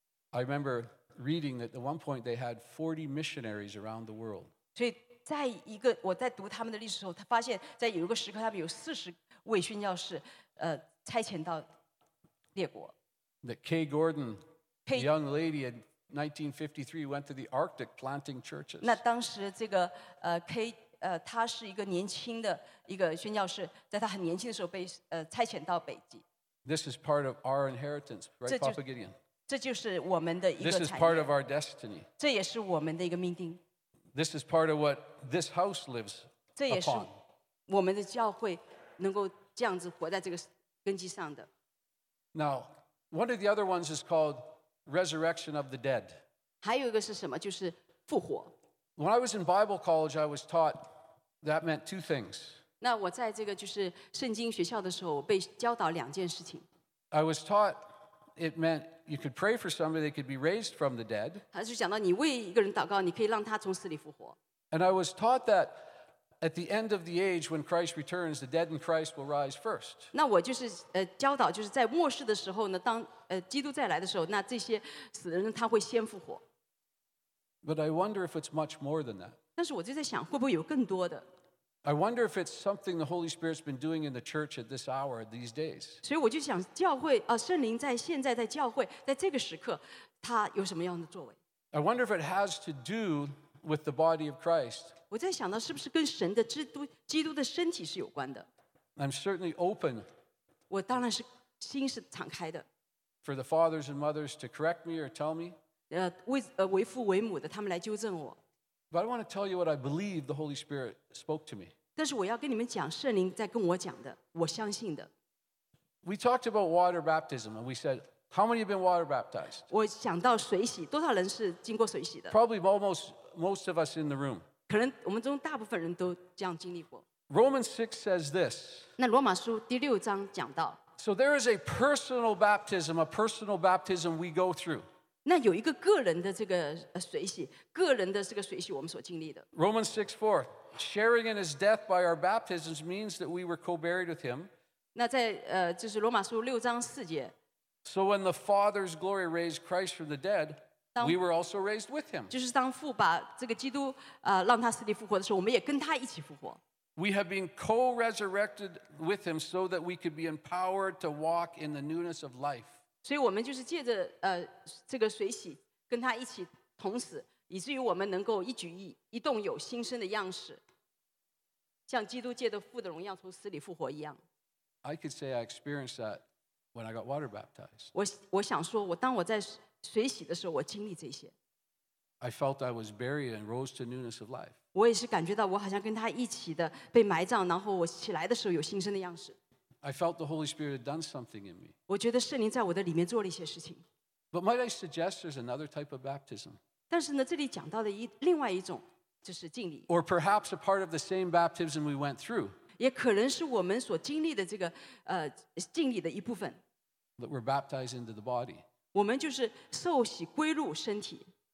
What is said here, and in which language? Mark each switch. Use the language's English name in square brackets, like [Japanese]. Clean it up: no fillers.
[English] I remember reading that at one point they had 40 missionaries around the world. [Chinese] 所以在一个我在读他们的历史时候，他发现在有一个时刻，他们有40位宣教士差遣到列国。 [English] That Kay Gordon, the young lady had. 1953 went to the Arctic planting churches. [Chinese] 那当时这个K 他是一个年轻的一个宣教士，在他很年轻的时候被差遣到北极。 [English] This is part of our inheritance, right, Papa Gideon? [Chinese] 这就是我们的一个产业。 [English] This is part of our destiny. [Chinese] 这也是我们的一个命定。 [English] This is part of what this house lives upon. [Chinese] 这也是我们的教会能够这样子活在这个根基上的。 [English] Now, one of the other ones is called Resurrection of the Dead. [Chinese] 还有一个是什么？就是复活。 [English] When I was in Bible college, I was taught that meant two things. [Chinese] 那我在这个就是圣经学校的时候，我被教导两件事情。 [English] I was taught it meant you could pray for somebody that could be raised from the dead. [Chinese] 他就讲到你为一个人祷告，你可以让他从死里复活。 [English] And I was taught that at the end of the age, when Christ returns, the dead in Christ will rise first. [Chinese] 那我就是教导就是在末世的时候呢，当基督再来的时候，那这些死人他会先复活。 [English] But I wonder if it's much more than that. [Chinese] 但是我就在想，会不会有更多的 [English] ？I wonder if it's something the Holy Spirit's been doing in the church at this hour, these days. [Chinese] 所以我就想，教会圣灵在现在在教会，在这个时刻，他有什么样的作为 [English] ？I wonder if it has to do with the body of Christ. [Chinese] 我在想到是不是跟神的基督的身体是有关的 [English] ？I'm certainly open. [Chinese] 我当然是心是敞开的。 [English] For the fathers and mothers to correct me or tell me. [Chinese] 为父为母的他们来纠正我。 [English] But I want to tell you what I believe the Holy Spirit spoke to me. [Chinese] 但是我要跟你们讲圣灵在跟我讲的，我相信的。 [English] We talked about water baptism and we said, how many have been water baptized? [Chinese] 我想到水洗，多少人是经过水洗的 [English] ？Probably most of us in the room. [Chinese] 可能我们中大部分人都这样经历过。 [English] Romans 6 says this. [Chinese] 那罗马书第六章讲到。 [English] So there is a personal baptism we go through. [Chinese] 那有一个个人的这个水洗，个人的这个水洗我们所经历的。 [English] Romans 6:4, sharing in his death by our baptisms means that we were co-buried with him. [Chinese] 那在就是罗马书六章四节。 [English] So when the Father's glory raised Christ from the dead, we were also raised with him. [Chinese] 就是当父把这个基督让他死里复活的时候，我们也跟他一起复活。 [English] We have been co-resurrected with him so that we could be empowered to walk in the newness of life. [Chinese] 所以我们就是借着这个水洗跟他一起同死，以至于我们能够一举一动有新生的样式，像基督借着父的荣耀从死里复活一样。 [English] I could say I experienced that when I got water baptized. [Chinese] 我想说，我当我在水洗的时候，我经历这些。 [English] I felt I was buried and rose to newness of life. [Chinese] 我也是感觉到我好像跟他一起的被埋葬，然后我起来的时候有新生的样式。 [English] I felt the Holy Spirit had done something in me. [Chinese] 我觉得圣灵在我的里面做了一些事情。 [English] But might I suggest there's another type of baptism? [Chinese] 但是呢，这里讲到的另外一种就是浸礼。 [English] Or perhaps a part of the same baptism we went through. [Chinese] 也可能是我们所经历的这个浸礼的一部分。 [English] That we're baptized into the body. [Chinese] 我们就是受洗归入身体。